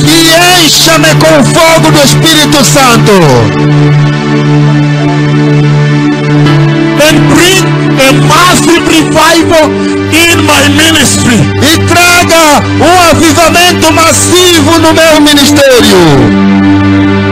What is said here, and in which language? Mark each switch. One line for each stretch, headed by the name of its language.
Portuguese: E encha-me com o fogo do Espírito Santo.
English: And bring a massive revival in my ministry.
Portuguese: E traga um avivamento massivo no meu ministério.